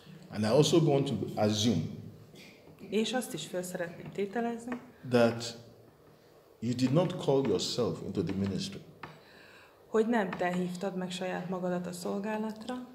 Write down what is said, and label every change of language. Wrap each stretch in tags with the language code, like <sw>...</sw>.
<en>And I also want to assume.</en> <hu>És azt is fel szeretném tételezni.</hu> <en>That you did not call yourself into the ministry.</en> <hu>Hogy nem te hívtad meg saját magadat a szolgálatra.</hu>